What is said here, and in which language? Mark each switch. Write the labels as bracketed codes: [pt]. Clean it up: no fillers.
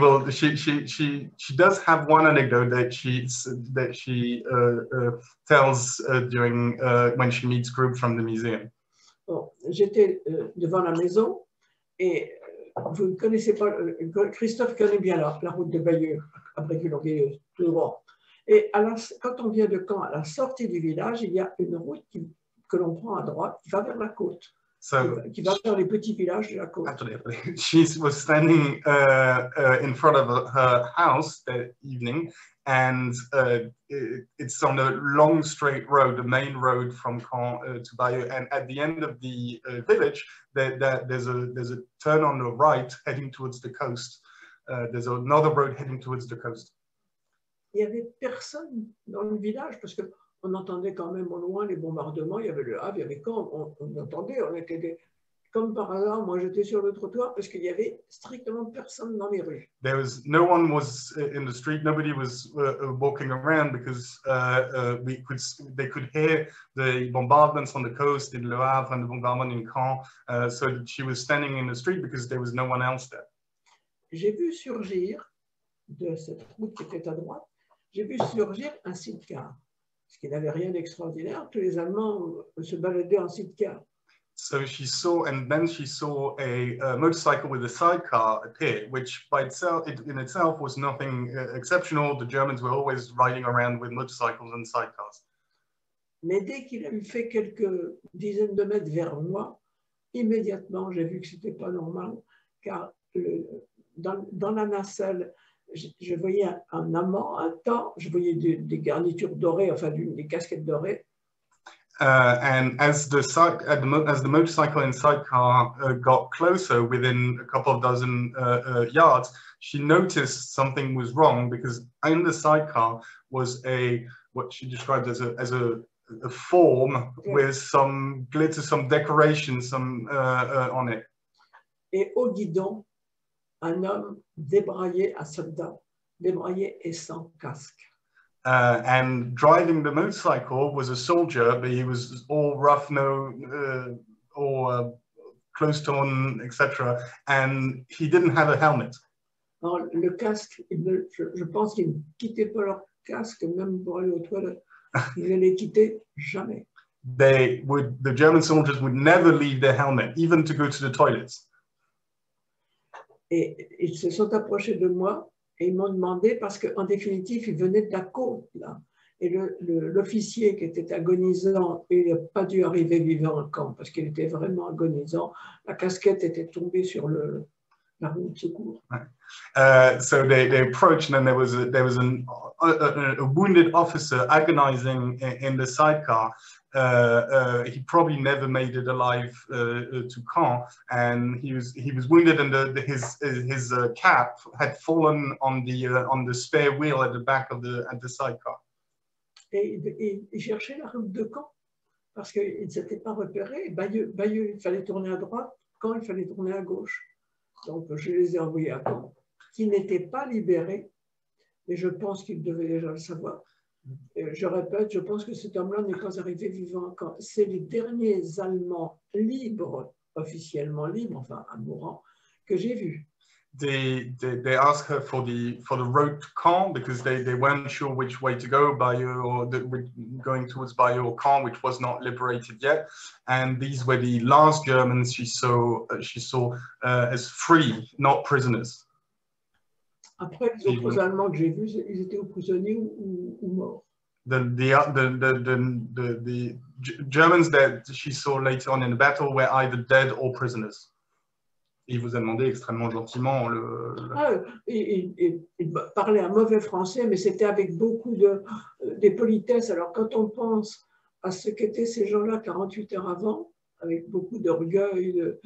[en] She does have one anecdote that she tells during when she meets group from the museum. [fr] Bon, j'étais devant la maison et vous ne connaissez pas Christophe connaît bien la route de Bayeux à Bréguilongueil tout droit. Et quand on vient de Caen, à la sortie du village, il y a une route que l'on prend à droite qui va vers la côte. [en] So [fr] qui va dans les petits villages de la côte. [en] Absolutely. She was standing in front of her house that evening, and it's on a long straight road, the main road from Caen to Bayeux, and at the end of the village, there's a turn on the right heading towards the coast. There's another road heading towards the coast. [fr] Il y avait personne dans le village parce que on entendait quand même au loin les bombardements. Il y avait le Havre, il y avait Caen. On entendait, on était des... comme par hasard. Moi, j'étais sur le trottoir parce qu'il y avait strictement personne dans les rues. [en] There was no one was in the street. Nobody was walking around because they could hear the bombardments on the coast in Le Havre and the bombardment in Caen. So she was standing in the street because there was no one else there. [fr] J'ai vu surgir de cette route qui était à droite. J'ai vu surgir un sidecar, ce qui n'avait rien d'extraordinaire. Tous les Allemands se baladaient en sidecar. [en] So she saw, and then she saw a motorcycle with a sidecar appear, which by itself, in itself, was nothing exceptional. The Germans were always riding around with motorcycles and sidecars. [fr] Mais dès qu'il a eu fait quelques dizaines de mètres vers moi, immédiatement, j'ai vu que c'était pas normal, car dans la nacelle, je voyais un amant, un temps, je voyais des garnitures dorées, enfin des casquettes dorées. [en] And as the motorcycle and sidecar got closer, within a couple of dozen yards, she noticed something was wrong because in the sidecar was a what she described as a form, yeah, with some glitter, some decoration, some on it. [fr] Et au guidon, un homme débraillé, un soldat débraillé et sans casque. [en] And driving the motorcycle was a soldier, but he was all rough, no, or close to on, etc. And he didn't have a helmet. [fr] Alors, le casque, je pense qu'ils ne quittaient pas leur casque, même pour aller aux toilettes. Ils ne les quittaient jamais. [en] The German soldiers would never leave their helmet, even to go to the toilets. [fr] Et ils se sont approchés de moi et ils m'ont demandé, parce qu'en définitive, ils venaient de la côte, là. Et l'officier qui était agonisant, il n'a pas dû arriver vivant au camp parce qu'il était vraiment agonisant. La casquette était tombée sur la roue de secours. [en] So they approached and there was a wounded officer agonizing in the sidecar. He probably never made it alive to Caen, and he was wounded, and his cap had fallen on the spare wheel at the back of the sidecar. [fr] Et cherchait la route de Caen parce qu'il ne s'était pas repéré. Bayeux, il fallait tourner à droite. Caen, il fallait tourner à gauche. Donc je les ai envoyés à Caen, qui n'était pas libéré, mais je pense qu'il devait déjà le savoir. Et je répète, je pense que cet homme-là n'est pas arrivé vivant à Caen. C'est les derniers Allemands libres, officiellement libres, enfin à mourant, que j'ai vus. [en] They asked her for the road to Caen because they weren't sure which way to go, Bayeux or going towards Bayeux or Caen, which was not liberated yet. And these were the last Germans she saw as free, not prisoners. [fr] Après, les autres Allemands que j'ai vus, ils étaient prisonniers ou morts. [en] The Germans that she saw later on in the battle were either dead or prisoners. [fr] Il vous a demandé extrêmement gentiment il parlait un mauvais français, mais c'était avec beaucoup de politesse. Alors quand on pense à ce qu'étaient ces gens-là 48 heures avant, avec beaucoup d'orgueil,